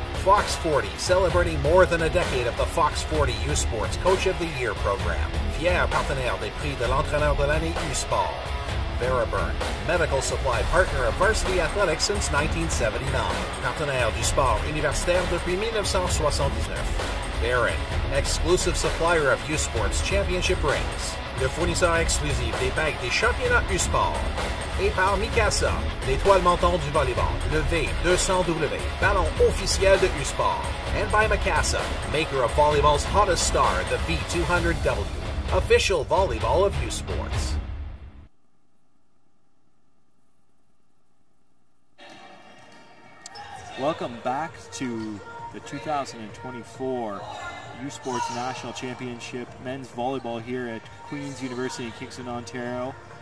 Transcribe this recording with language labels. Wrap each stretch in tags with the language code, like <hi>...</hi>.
<en>Fox 40, celebrating more than a decade of the Fox 40 U-Sports Coach of the Year program.</en> <fr>Fier partenaire des prix de l'entraîneur de l'année U-Sport.</fr> <en>Veriburn, medical supply partner of Varsity Athletics since 1979.</en> <fr>Partenaire du sport universitaire depuis 1979.</fr> <en>Baron, exclusive supplier of U-Sports Championship rings.</en> <fr>Le fournisseur exclusif des bagues des championnats U-Sport. Et par Mikasa, l'étoile montante du volleyball, le V200W, ballon officiel de U-Sport.</fr> <en>And by Mikasa, maker of volleyball's hottest star, the V200W, official volleyball of U-Sports. Welcome back to the 2024 U-Sports National Championship Men's Volleyball here at Queen's University in Kingston, Ontario.</en>